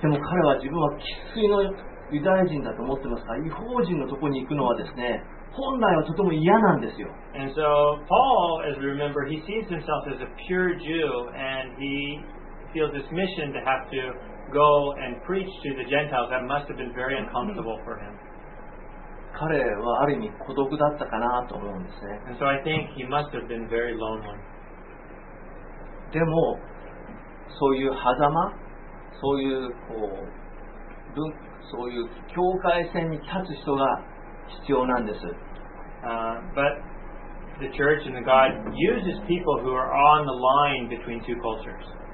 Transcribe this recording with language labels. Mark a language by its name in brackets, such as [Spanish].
[Japanese] でも彼は自分は生粋のユダヤ人だと思ってますから、異邦人のところに行くのはですね、本来はとても嫌なんですよ。 [English] And so Paul, as we remember, he sees himself as a pure Jew, and he feels this mission to have to go and preach to the Gentiles. That must have been very uncomfortable for him. [Japanese] 彼はある意味孤独だったかなと思うんですね。 [English] And so I think he must have been very lonely. [Japanese] でもそういう狭間、そういうこう、そういう境界線に立つ人が必要なんです。 [English] But the church and the God uses people who are on the line between two cultures.